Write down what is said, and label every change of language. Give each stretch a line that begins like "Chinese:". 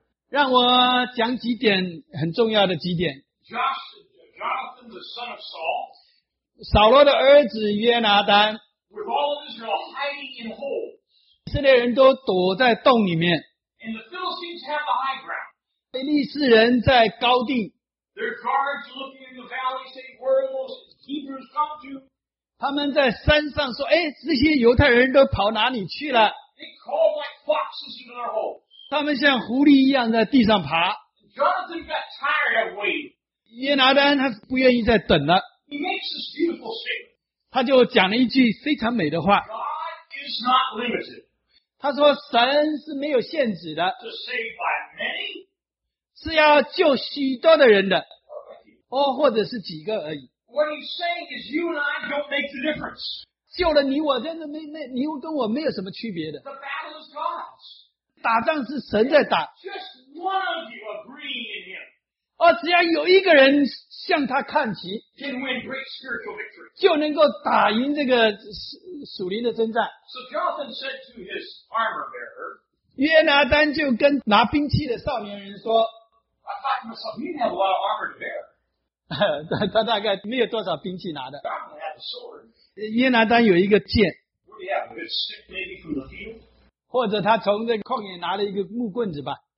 Chinese: 让我讲几点很重要的几点。
English: Jonathan, the son of Saul,
Chinese: 扫罗的儿子约拿丹
English: with all of Israel hiding in holes,
Chinese: 以色列人都躲在洞里面。
English: And the Philistines have the high ground,
Chinese: 非利士人在高地
English: There's guards looking in the valley saying, where will those Hebrews come to?
Chinese: 他们在山上说, 诶, 这些犹太人都跑哪里去了?
English: They call like foxes into their holes.
Chinese: 他们像狐狸一样在地上爬。
English: Jonathan got tired of waiting.
Chinese: 耶拿单他不愿意再等了。
English: He makes this beautiful statement.
Chinese: 他就讲了一句非常美的话。
English: God is not limited.
Chinese: 他说神是没有限制的,
English: to save by many?
Chinese: 是要救许多的人的, 或者是几个而已。
English: What he's saying is you and I don't make the difference.
Chinese: 救了你我真的没你跟我没有什么区别的。
English: The battle is God's.
Chinese: 打仗是神在打。
English: Just one of you agreeing in him.
Chinese: 只要有一个人向他看齐,
English: can win great spiritual victory.
Chinese: 就能够打赢这个属灵的征战。
English: So Jonathan said to his armor bearer,
Chinese: 约拿单就跟拿兵器的少年人说,
English: I thought to myself, you have a lot of armor to bear.
Chinese: 他大概没有多少兵器拿的。约拿单有一个剑,
English: would he have a good stick maybe from the field?